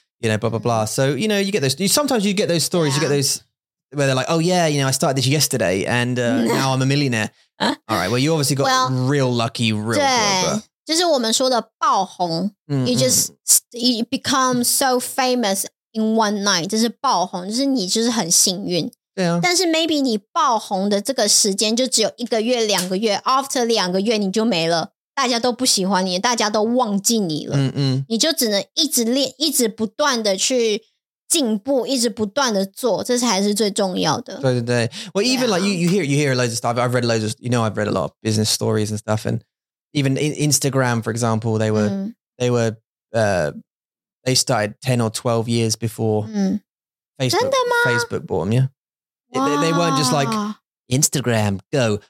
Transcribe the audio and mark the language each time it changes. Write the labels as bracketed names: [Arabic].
[English] You know, blah blah blah. So you know, you get those. Sometimes you get those stories. Yeah. You get those. Where they're like, oh yeah, you know, I started this yesterday and now I'm a millionaire. All right, well, you obviously got real lucky, real good. [Chinese] 就是我们说的爆红, [English] you just you become so famous in one night. [Chinese] 就是爆红,就是你就是很幸运。对啊。但是maybe你爆红的这个时间就只有一个月,两个月, after两个月你就没了, 大家都不喜欢你, 大家都忘记你了。你就只能一直练,一直不断的去 进步，一直不断的做， 这才是最重要的。对对对。 [English] Well, even like you hear loads of stuff. I've read loads of, you know, I've read a lot of business stories and stuff. And even Instagram, for example, they were, they started 10 or 12 years before Facebook. [Chinese] 真的吗? [English] Facebook bought them, yeah. They weren't just like, Instagram, go.